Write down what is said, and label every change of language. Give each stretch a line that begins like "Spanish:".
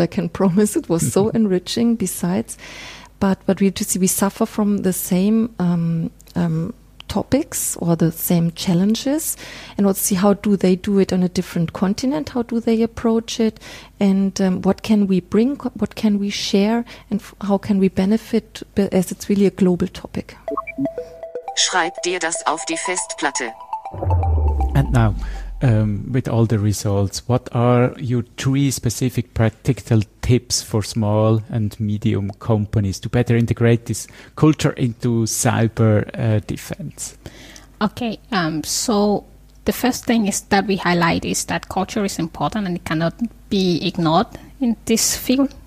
English: I can promise it was so enriching besides. But we just see we suffer from the same topics or the same challenges, and let's see how do they do it on a different continent, how do they approach it, and what can we bring, what can we share, and how can we benefit, as it's really a global topic.
German: Schreib dir das auf die Festplatte.
English: And now, with all the results, what are your 3 specific practical tips for small and medium companies to better integrate this culture into cyber defense? Okay, so the first thing is that we highlight is that culture is important and it cannot be ignored in this field.